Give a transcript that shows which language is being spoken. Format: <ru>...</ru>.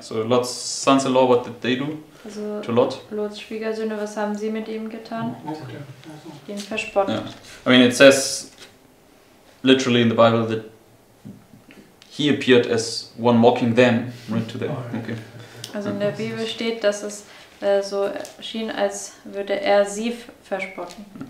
<en>So Lot's sons-in-law, what did they do also to Lot?</en> <de>Lot's Schwiegersöhne, was haben sie mit ihm getan?</de> <en>Okay.</en> <de>Ihn verspottet.</de> <en>Yeah. I mean, it says literally in the Bible that he appeared as one mocking them, right to them. Okay.</en> <de>Also in der Bibel steht, dass es so schien, als würde sie verspotten.</de>